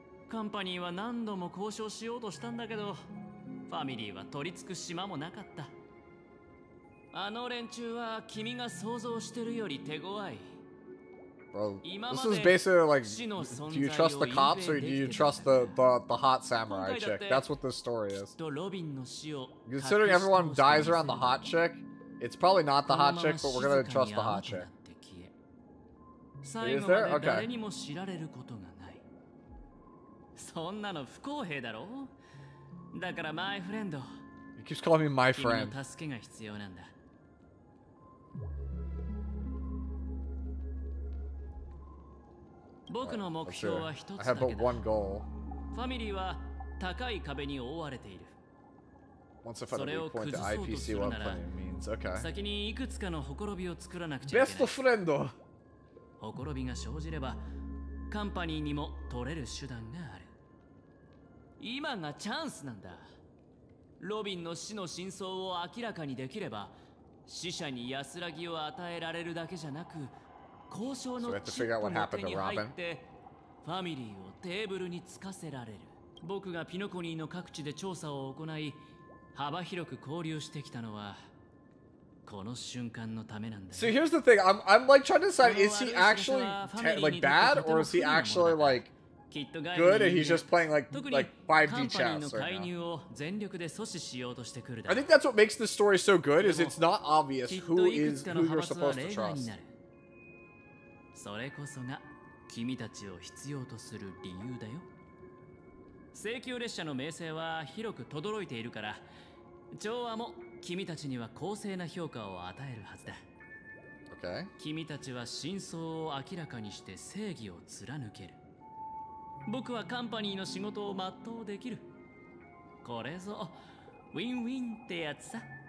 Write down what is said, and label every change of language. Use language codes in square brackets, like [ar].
[ja] カンパニーは何度も交渉しようとしたんだけど、ファミリーは取り付く島もなかった。あの連中は君が想像してるより手強い。 [en] Bro, this is basically like, do you trust the cops or do you trust the hot samurai chick? That's what this story is. Considering everyone dies around the hot chick, it's probably not the hot chick, but we're gonna trust the hot chick. Is there? Okay. [ja] 誰にも知られることがそんなの不公平だろう。だからマイフレンド。 [en] He keeps calling me my friend. [ja] 君の助けが必要なんだ。僕の目標は一つだけだ。ファミリーは高い壁に覆われている。それを崩そうとするなら、先にいくつかのほころびを作らなくちゃいけない。ベストフレンド。ほころびが生じれば、カンパニーにも取れる手段がある。今がチャンスなんだ。ロビンの死の真相を明らかにできれば、死者に安らぎを与えられるだけじゃなく、交渉のチップも手に入ってファミリーをテーブルにつかせられる。僕がピノコニーの各地で調査を行い、幅広く交流してきたのは、この瞬間のためなんだ。 [en] So here's the thing. I'm like trying to decide, is he actually like bad or is he actually like good, and he's just playing like 5D chess right now. I think that's what makes this story so good, is it's not obvious who you're supposed to trust. [ja] それこそが君たちを必要とする理由だよ。請求列車の名声は広く轟いているから、調和も君たちには公正な評価を与えるはずだ。君たちは真相を明らかにして正義を貫ける。僕はカンパニーの仕事を全うできる。これぞウィンウィンってやつさ。